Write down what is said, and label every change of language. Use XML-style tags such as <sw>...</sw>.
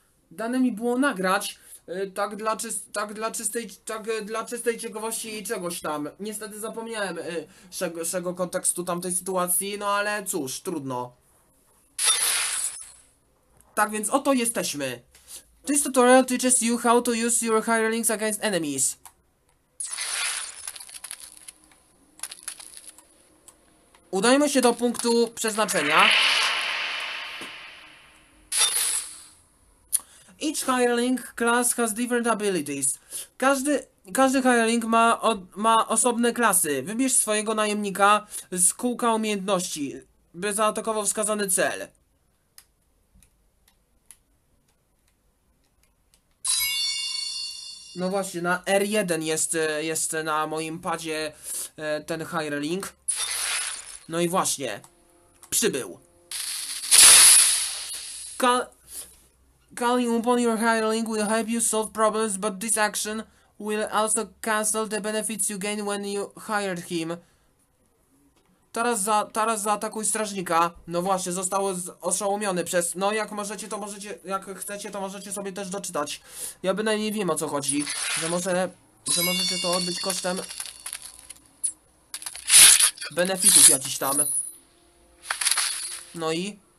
<pl>Dane mi było nagrać, tak dla czystej ciekawości i czegoś tam. Niestety zapomniałem szego kontekstu tamtej sytuacji, no ale cóż, trudno. Tak więc oto jesteśmy.</pl> <en>This tutorial teaches you how to use your hirelings against enemies.</en> <pl>Udajmy się do punktu przeznaczenia.</pl> <en>Each hireling class has different abilities.</en> <pl>Każdy hireling ma osobne klasy. Wybierz swojego najemnika z kółka umiejętności, by zaatakował wskazany cel. No właśnie, na R1 jest na moim padzie ten hireling. No i właśnie, przybył.</pl> <en>Calling upon your hireling will help you solve problems, but this action will also cancel the benefits you gain when you hired him.</en> <pl>Teraz zaatakuj strażnika. No właśnie, został oszołomiony przez... No jak chcecie, to możecie sobie też doczytać. Ja bynajmniej wiem, o co chodzi. Że możecie to odbyć kosztem benefitów jakichś tam. No i...</pl>